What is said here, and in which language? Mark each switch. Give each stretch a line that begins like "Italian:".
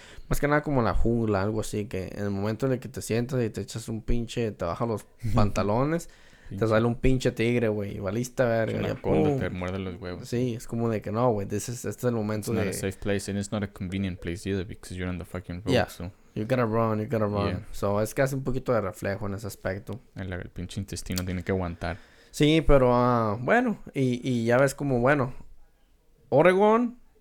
Spanish: Más que nada como la jungla, algo así, que en el momento en el que te sientas y te echas un pinche, te bajas los pantalones, te sale un pinche tigre, güey, valiste verga. Una conda te muerde los huevos. Sí, es como de que no, güey, este es el momento
English: it's
Spanish: de...
English: It's not a safe place, and it's not a convenient place either, because you're on the fucking road, so... You gotta run. Yeah.
Spanish: So, es que hace un poquito de reflejo en ese aspecto. El pinche intestino tiene que aguantar. Sí, pero, bueno, y ya ves como, bueno, Oregon...